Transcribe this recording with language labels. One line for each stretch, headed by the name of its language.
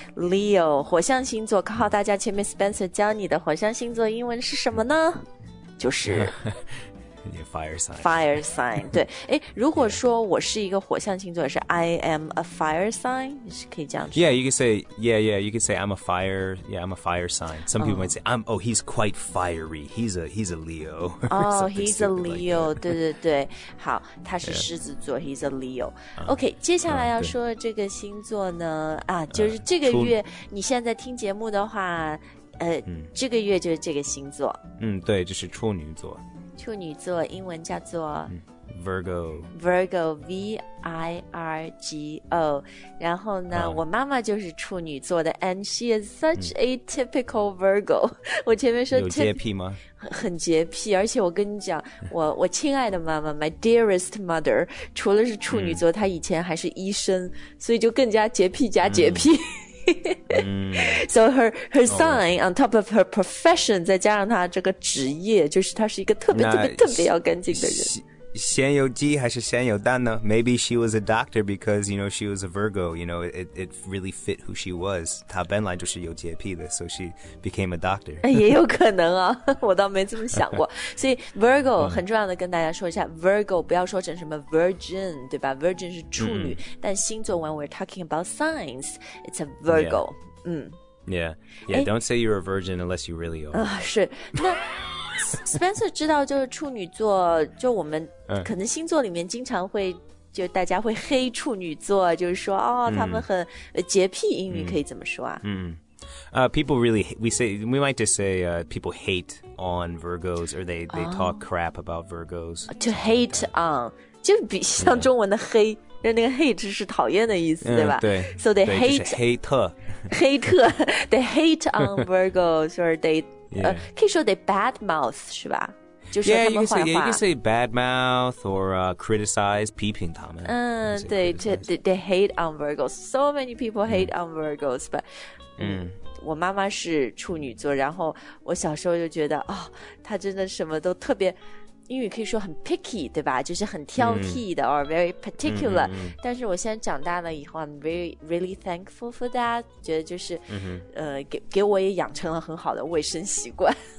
Chinese: Leo 火象星座，靠大家前面 Spencer 教你的火象星座英文是什么呢？就是
English: fire sign。
Chinese: Fire sign， 对，哎，如果说我是一个火象星座，是
English: I am a fire sign，
Chinese: 是可以这样说。
English: Yeah， you can say， yeah， yeah， you can say I'm a fire， yeah， I'm a fire sign。 Some people might say I'm， oh， he's quite fiery， he's a Leo。 Oh， he's a Leo，、like、
Chinese: 对对对，好，他是狮子座、yeah.
English: ，he's a Leo。
Chinese: OK， 接下来要说的这个星座呢，啊，就是这个月你现在听节目的话，这个月就是这个星座。嗯，对，就是处女座。处女座英文叫做
English: Virgo
Chinese: Virgo V-I-R-G-O 然后呢、我妈妈就是处女座的
English: And she is such a typical Virgo
Chinese: 我前面说有洁癖吗很洁癖而且我跟你讲 我亲爱的妈妈
English: My dearest mother
Chinese: 除了是处女座、她以前还是医生所以就更加洁癖加洁癖、
English: so her sign、on top of her profession
Chinese: 再加上她这个职业就是她是一个特别特别特别要干净的人先有鸡还是先有蛋呢
English: Maybe she was a doctor because you know she was a Virgo You know it really fit who she was
Chinese: 她本来就是有洁癖的
English: So she became a doctor
Chinese: 也有可能啊我倒没这么想过所以 Virgo 很重要的跟大家说一下 Virgo 不要说成什么 Virgin 对吧 Virgin 是处女、但星座
English: when we're talking about signs It's a Virgo Yeah, yeah don't say you're a virgin unless you really are
Chinese: 是那Spencer 知道就是处女座就我们可能星座里面经常会就大家会黑处女座就是说哦、他们很洁癖英语可以怎么说啊
English: People really we might just say people hate on Virgos or they talk crap about Virgos to hate on
Chinese: 就比像中文的黑、yeah. 那个 hate 是讨厌的意思、对吧，对
English: so they hate、
Chinese: 就是、黑特黑特
English: they hate on Virgos or they、
Chinese: 可以说 they bad mouth 是吧，就说他们坏话
English: yeah, you can say bad mouth or、criticize
Chinese: 批评他们、对
English: they hate on Virgos so many people hate、on Virgos but、
Chinese: 我妈妈是处女座，然后我小时候就觉得、她真的什么都特别，英语可以说很 picky 对吧，就是很挑剔的、or very particular、但是我现在长大了以后
English: I'm very, really thankful for that,
Chinese: 觉得就是、给我也养成了很好的卫生习惯。